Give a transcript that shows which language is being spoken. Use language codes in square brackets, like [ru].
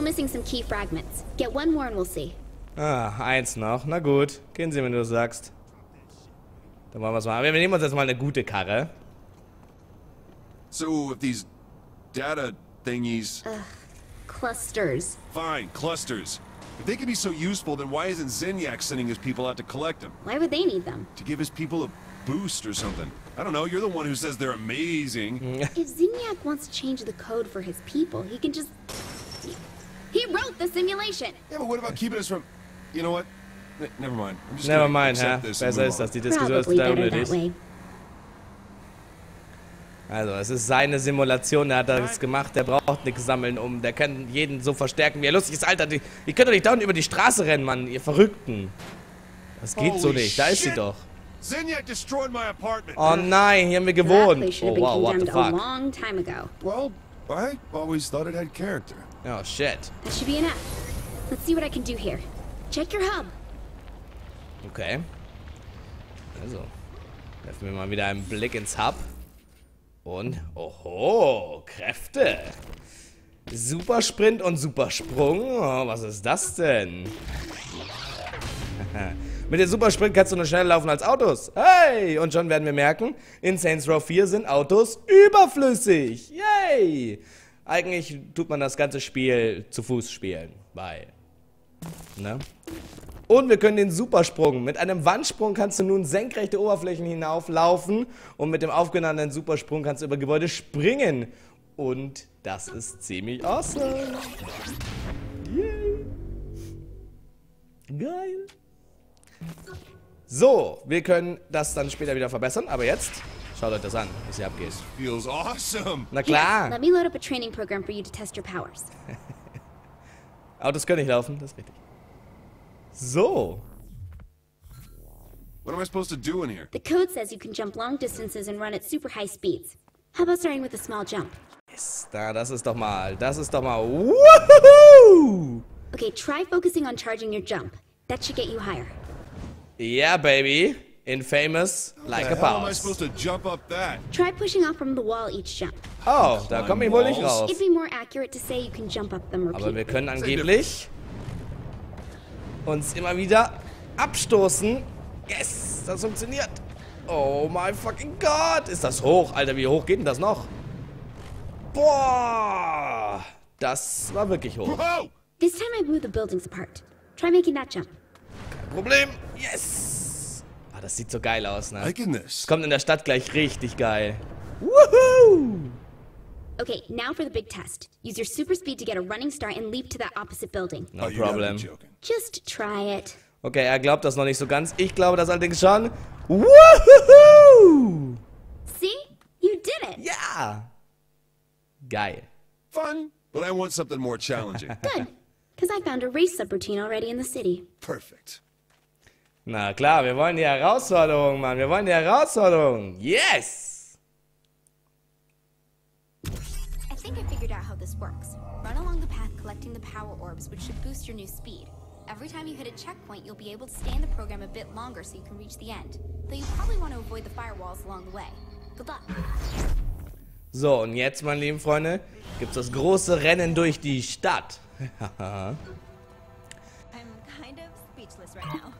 [en] missing some key fragments. Get one more and we'll see. [de] Ah, eins noch. Na gut. Gehen Sie, wenn du sagst. Dann wollen wir es machen. Wir nehmen uns jetzt mal eine gute Karre. [en] So, with these data thingies. Clusters. Fine, clusters. If they can be so useful, then why isn't Zinyak sending his people out to collect them? Why would they need them? To give his people a boost or something. I don't know, you're the one who says they're amazing. If Zinyak wants to change the code for his people, he can just... He wrote the simulation! Yeah, but what about keeping us from... You know what? Never mind. I'm just never mind, ha? [de] Besser ist das, die Diskussion ist da unnötig. Also, es ist seine Simulation, er hat das gemacht, der braucht nichts sammeln, um, der kann jeden so verstärken, wie er lustig ist, Alter, ihr könnt doch nicht dauernd über die Straße rennen, Mann, ihr Verrückten. Das geht [en] Holy [de] so nicht, da [en] shit. [de] Ist sie doch. [en] Zinyak destroyed my apartment. [de] Oh nein, hier haben wir gewohnt. [en] Oh wow, what the fuck. A long time ago. Well, I always thought it had character. Oh shit. That should be enough. Let's see what I can do here. Check your hub. Okay. [de] Also, werfen wir mal wieder einen Blick ins Hub. Und, oho, Kräfte. Supersprint und Supersprung. Oh, was ist das denn? Mit dem Supersprint kannst du nur schneller laufen als Autos. Hey, und schon werden wir merken, in Saints Row 4 sind Autos überflüssig. Yay. Eigentlich tut man das ganze Spiel zu Fuß spielen. Weil, ne? Und wir können den Supersprung. Mit einem Wandsprung kannst du nun senkrechte Oberflächen hinauflaufen. Und mit dem aufgenommenen Supersprung kannst du über Gebäude springen. Und das ist ziemlich awesome. Yay. Geil. So, wir können das dann später wieder verbessern. Aber jetzt, schaut euch das an, was ihr abgeht. [en] Feels awesome. [de] Na klar. [en] Here, let me load up a training program for you to test your powers. [de] Autos können nicht laufen, das ist richtig. So. [en] What am I supposed to do in here? The code says you can jump long distances and run at super high speeds. How about starting with a small jump? [de] Yes, da, das ist doch mal. Woohoo! [en] Okay, try focusing on charging your jump. That should get you higher. Yeah, baby. Infamous, like a boss. How am I supposed to jump up that? Try pushing off from the wall each jump. [de] Oh, da komme ich wohl nicht raus. [en] It'd be more accurate to say you can jump up them repeatedly. [de] Aber wir können angeblich uns immer wieder abstoßen. Yes, das funktioniert. [en] Oh my fucking God. [de] Ist das hoch? Alter, wie hoch geht denn das noch? Boah. Das war wirklich hoch. [en] This time I blew the buildings apart. Try making that jump. [de] Kein Problem. Yes. Ah, das sieht so geil aus, ne? [en] My goodness. [de] Kommt in der Stadt gleich richtig geil. Woohoo! [en] Okay, now for the big test. Use your super speed to get a running start and leap to that opposite building. No problem. Just try it. [de] Okay, er glaubt das noch nicht so ganz. Ich glaube das allerdings schon. Woohoo! [en] See? You did it. [de] Yeah. Geil. [en] Fun, but I want something more challenging. Good, because I found a race subroutine already in the city. Perfect. [de] Na klar, wir wollen die Herausforderung, Mann. Wir wollen die Herausforderung. [en] Yes! I think I figured out how this works. Run along the path collecting the power orbs, which should boost your new speed. Every time you hit a checkpoint, you'll be able to stay in the program a bit longer so you can reach the end. Though you probably want to avoid the firewalls along the way. Good luck. [de] So, und jetzt, meine lieben Freunde, gibt's das große Rennen durch die Stadt. [en] I'm kind of speechless right now.